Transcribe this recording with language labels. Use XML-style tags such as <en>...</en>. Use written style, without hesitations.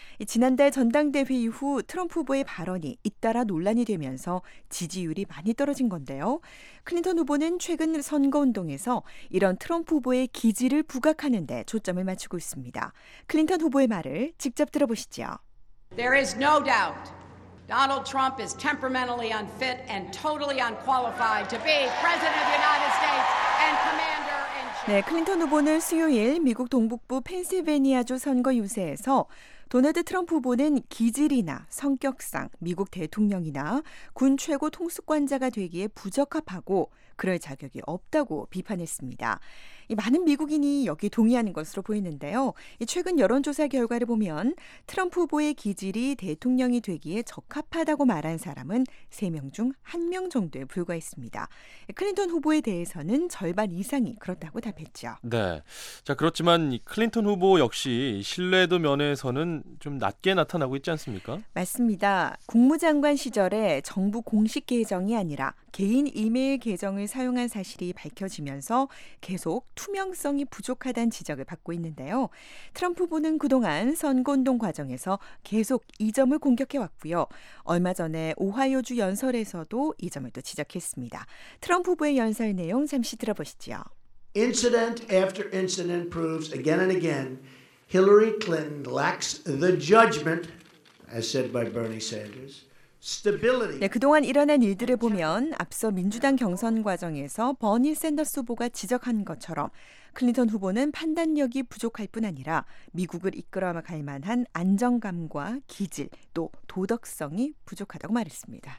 <ko>지난달 전당대회 이후 트럼프 후보의 발언이 잇따라 논란이 되면서 지지율이 많이 떨어진 건데요. 클린턴 후보는 최근 선거운동에서 이런 트럼프 후보의 기질을 부각하는 데 초점을 맞추고 있습니다. 클린턴 후보의 말을 직접 들어보시죠.</ko> <en>There is no doubt Donald Trump is temperamentally unfit and totally unqualified to be President of the United States and Commander-in-Chief.</en> <ko>네, 클린턴 후보는 수요일 미국 동북부 펜실베니아주 선거 유세에서 도널드 트럼프 후보는 기질이나 성격상 미국 대통령이나 군 최고 통수권자가 되기에 부적합하고 그럴 자격이 없다고 비판했습니다. 많은 미국인이 여기 동의하는 것으로 보이는데요. 최근 여론조사 결과를 보면 트럼프 후보의 기질이 대통령이 되기에 적합하다고 말한 사람은 3명 중 1명 정도에 불과했습니다. 클린턴 후보에 대해서는 절반 이상이 그렇다고 답했죠. 네. 자, 그렇지만 클린턴 후보 역시 신뢰도 면에서는 좀 낮게 나타나고 있지 않습니까? 맞습니다. 국무장관 시절에 정부 공식 계정이 아니라 개인 이메일 계정을 사용한 사실이 밝혀지면서 계속 투명성이 부족하다는 지적을 받고 있는데요. 트럼프 후보는 그동안 선거운동 과정에서 계속 이 점을 공격해왔고요. 얼마 전에 오하이오주 연설에서도 이 점을 또 지적했습니다. 트럼프 후보의 연설 내용 잠시 들어보시죠.</ko> <en>Incident after incident proves again and again Hillary Clinton lacks the judgment as said by Bernie Sanders.</en> <ko>네, 그동안 일어난 일들을 보면 앞서 민주당 경선 과정에서 버니 샌더스 후보가 지적한 것처럼 클린턴 후보는 판단력이 부족할 뿐 아니라 미국을 이끌어갈 만한 안정감과 기질 또 도덕성이 부족하다고 말했습니다.</ko>